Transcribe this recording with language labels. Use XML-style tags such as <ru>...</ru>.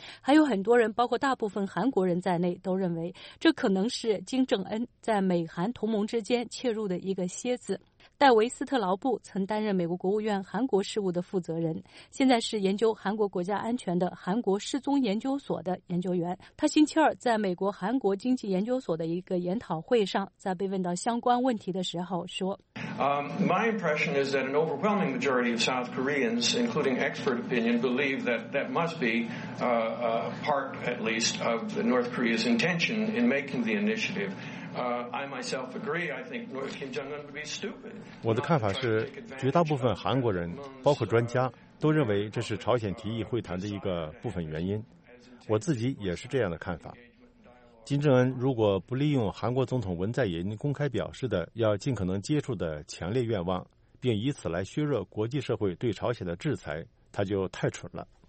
<zh>还有很多人，包括大部分韩国人在内，都认为这可能是金正恩在美韩同盟之间切入的一个楔子。戴维斯特劳布曾担任美国国务院韩国事务的负责人，现在是研究韩国国家安全的韩国失踪研究所的研究员。他星期二在美国韩国经济研究所的一个研讨会上，在被问到相关问题的时候说，</zh> <en>My impression is that an overwhelming majority of South Koreans, including expert opinion, believe that that must be part at least of North Korea's intention in making the initiative. I myself agree. I think Kim Jong-un would be stupid.</en> <zh>我的看法是，绝大部分韩国人，包括专家，都认为这是朝鲜提议会谈的一个部分原因。我自己也是这样的看法。金正恩如果不利用韩国总统文在寅公开表示的要尽可能接触的强烈愿望，并以此来削弱国际社会对朝鲜的制裁，他就太蠢了。</zh>